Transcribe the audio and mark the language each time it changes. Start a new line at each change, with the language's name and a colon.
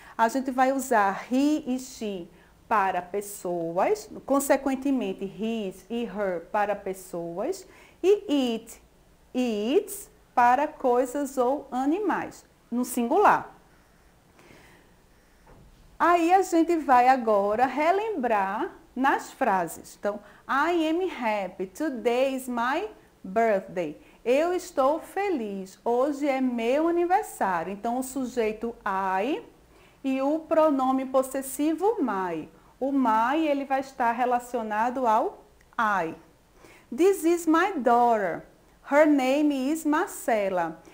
Portuguese: A gente vai usar he e she para pessoas, consequentemente, his e her para pessoas, e it e its para coisas ou animais, no singular. Aí a gente vai agora relembrar nas frases. Então,
English: I am happy, today is my birthday.
Portuguese: Eu estou feliz, hoje é meu aniversário. Então, o sujeito I e o pronome possessivo my. O my, ele vai estar relacionado ao I.
English: This is my daughter. Her name is Marcela.